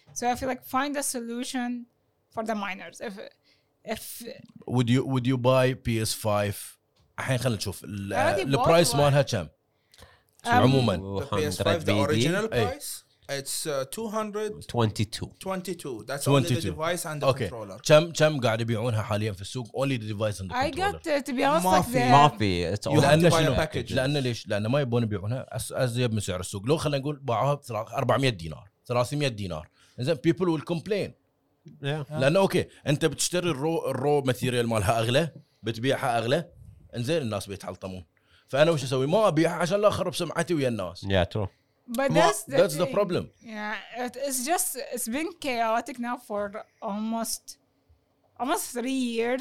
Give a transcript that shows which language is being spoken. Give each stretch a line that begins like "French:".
English: So I feel like find a solution for the miners. If would you buy PS5?
Arabic: الحين خلينا نشوف البرايس مالها كم؟ عموما
English: PS5 the original price. It's 222. That's 22. Only the device and the okay. controller.
Arabic: كم قاعد يبيعونها حاليا في السوق؟
English: Only the device and the I controller. I got to be honest
Arabic: مافي.
English: Like that. مافي. It's you have to buy a package.
Arabic: لأن ليش؟ لأن ما يبون يبيعونها أزيد من سعر السوق. لو خلنا نقول باعوها ب 400 دينار.
English: إذن people will complain. Yeah.
Arabic: لأن أوكي أنت بتشتري الرو ماتيريال مالها أغلى بتبيعها أغلى إنزين الناس بيتحلطمون. فأنا وش أسوي؟ ما أبيعها عشان لا أخرب سمعتي ويا الناس.
English: Yeah, true. But that's the problem. Yeah, it's been chaotic now for almost 3 years.